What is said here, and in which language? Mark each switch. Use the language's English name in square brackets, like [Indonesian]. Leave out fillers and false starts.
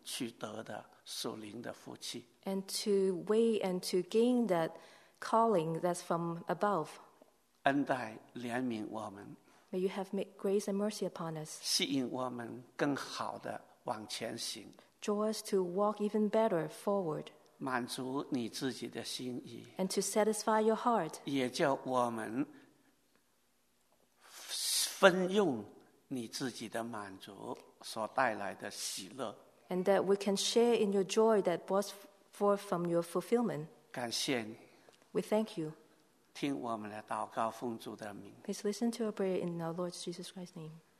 [Chinese] 等候要得着你从上召我们去得的属灵的福气。 [English] And to wait and to gain that calling that's from above. [Chinese] 恩待怜悯我们, [English] May you have made grace and mercy upon us. [Chinese] 吸引我们更好地往前行, [English] Draw us to walk even better forward. [Chinese] 满足你自己的心意, [English] And to satisfy your heart. [Chinese] 也叫我们分用你自己的满足所带来的喜乐, [English] And that we can share in your joy that brought forth from your fulfillment. [Chinese] 感谢你。 [English] We thank you. [Chinese] 听我们的祷告，奉主的名。 [English] Please listen to our prayer in our Lord Jesus Christ's name.